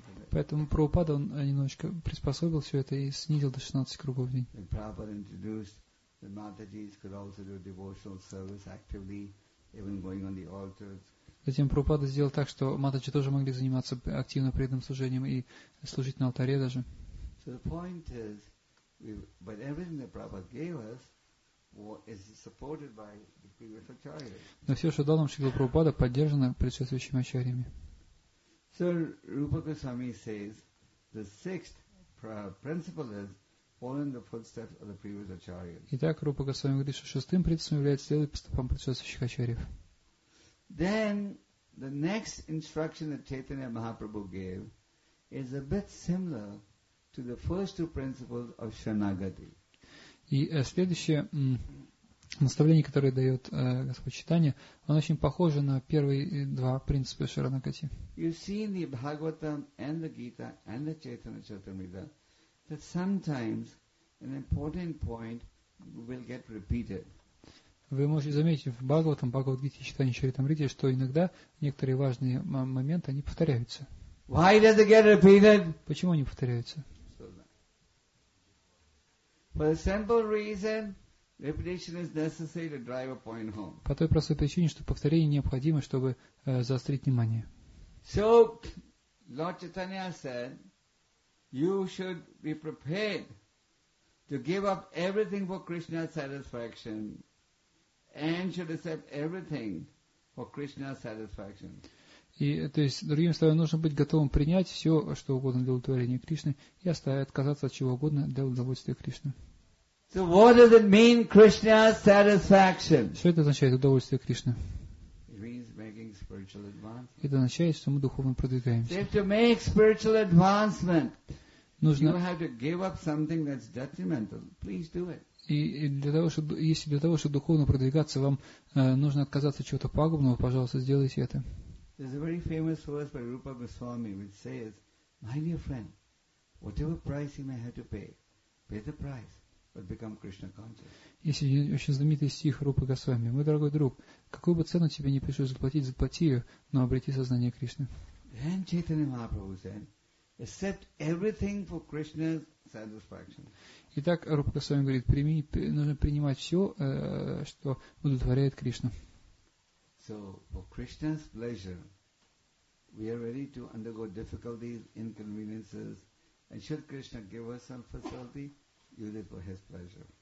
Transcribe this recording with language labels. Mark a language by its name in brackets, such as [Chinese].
[Russian] Поэтому Прабхупада он немножечко приспособил все это и снизил до 16 кругов в день. [English] Prabhupada introduced that Matajis could also do devotional service actively, even going on the altars. [Russian] Затем Прабхупада сделал так, что Матаджи тоже могли заниматься активно преданным служением и служить на алтаре даже. [English] So the point is, but everything that Prabhupada gave us is supported by the previous acharyas. [Russian] Но все, что дал нам Шрила Прабхупада, поддержано предшествующими ачарьями. [English] So Rupa Goswami says the sixth principle is following the footsteps of the previous acharyas. [Russian] Итак, Рупа Госвами говорит, что шестым принципом является следовать по стопам предшествующих ачарьев. [English] Then the next instruction that Chaitanya Mahaprabhu gave is a bit similar to the first two principles of Shanagati. [Russian] И следующее наставление, которое дает Господь Чайтанья, оно очень похоже на первые два принципа Шаранагати. [English] You've seen the Bhagavatam and the Gita and the Chaitanya Charitamrita that sometimes an important point will get repeated. [Russian] Вы можете заметить в Бхагаватам, Бхагавад-гите, Чайтанья Чаритамрите, что иногда некоторые важные моменты они повторяются. [English] Why does it get repeated? [Russian] Почему они повторяются? [English] For the simple reason Repetition is necessary to drive a point home. [Russian] По той простой причине, что повторение необходимо, чтобы заострить внимание. [English] So, Lord Chaitanya said, you should be prepared to give up everything for Krishna's satisfaction and should accept everything for Krishna's satisfaction. [Russian] И, то есть, другими словами, нужно быть готовым принять все, что угодно для удовлетворения Кришны и оставить, отказаться от чего угодно для удовольствия Кришны. [English] So what does it mean, Krishna's satisfaction? [Russian] Что это означает удовольствие Кришны? [English] It means making spiritual advancement. [Russian] Это означает, что мы духовно продвигаемся. [English] If to make spiritual advancement, [Russian] нужно... [English] you have to give up something that's detrimental. Please do it. [Russian] И для того, чтобы, если для того, чтобы духовно продвигаться, вам нужно отказаться от чего-то пагубного, пожалуйста, сделайте это. [English] There's a very famous verse by Rupa Goswami which says, my dear friend, whatever price you may have to pay, pay the price, but become Krishna conscious. [Russian] Есть очень знаменитый стих Рупы Госвами. Мой дорогой друг, какую бы цену тебе не пришлось заплатить, заплати ее, но обрети сознание Кришны. [English] Then Chaitanya Mahaprabhu said, accept everything for Krishna's satisfaction. [Russian] Итак, Рупа Госвами говорит, нужно принимать все, что удовлетворяет Кришну. [English] So, for Krishna's pleasure, we are ready to undergo difficulties, inconveniences, and should Krishna give us some facility, use it for His pleasure.